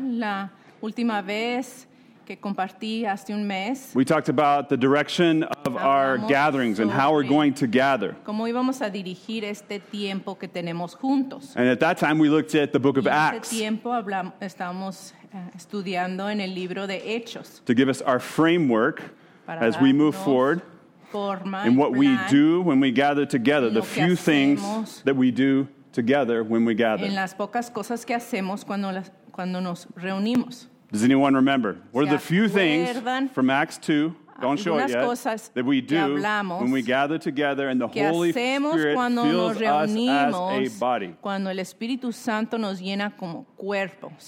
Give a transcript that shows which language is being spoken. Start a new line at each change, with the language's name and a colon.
Spanish: la última vez que compartí hace un mes,
English: we talked about the direction of our gatherings and how we're going to gather.
Spanish: Cómo íbamos a dirigir este tiempo que tenemos juntos.
English: And at that time, we looked at the book of Acts.
Spanish: Y ese tiempo estábamos estudiando en el libro de Hechos.
English: To give us our framework as we move forward. And what we do when we gather together, the few things that we do together when we gather.
Spanish: En las pocas cosas que hacemos cuando nos reunimos.
English: Does anyone remember? What are the few things from Acts 2, don't show it yet, that we do when we gather together and the Holy Spirit fills us as a body?
Spanish: Cuando el Espíritu Santo nos llena como cuerpo.